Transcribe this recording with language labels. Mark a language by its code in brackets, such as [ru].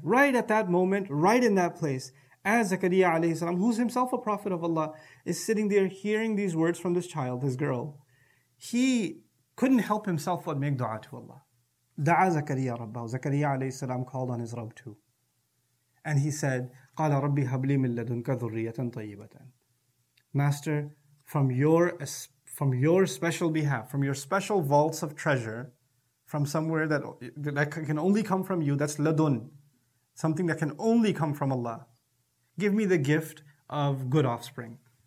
[en] Right at that moment, right in that place, as Zakariya alayhi salam, who's himself a prophet of Allah, is sitting there hearing these words from this child, this girl, he couldn't help himself but make dua to Allah. [ar] Da'a Zakariya Rabbahu. [en] Zakariya alayhi salam called on his Rabb too. And he said, [ar] قَالَ رَبِّ هَبْلِي مِنْ لَدُنْكَ ذُرِّيَّةً طَيِّبَةً. [en] Master, from your special behalf, from your special vaults of treasure, from somewhere that can only come from you, that's ladun, something that can only come from Allah, give me the gift of good offspring.